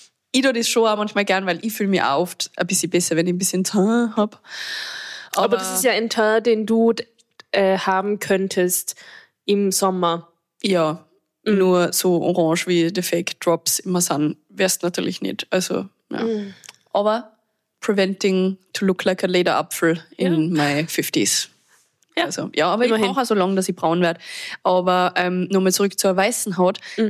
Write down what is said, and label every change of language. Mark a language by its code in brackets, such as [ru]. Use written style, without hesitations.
[de] Ich tue das schon auch manchmal gern, weil ich fühle mich auch oft ein bisschen besser, wenn ich ein bisschen Teint habe. Aber das ist ja ein Teint, den du haben könntest im Sommer. Ja, nur so orange wie die Fake Drops immer sind, wärst natürlich nicht. Also, ja. [en] Aber preventing to look like a [de] Lederapfel [en] in my 50s. [de] Ja. Also, ja, aber immerhin. Ich brauche auch so lange, dass ich braun werde. Aber nochmal zurück zur weißen Haut. Mhm.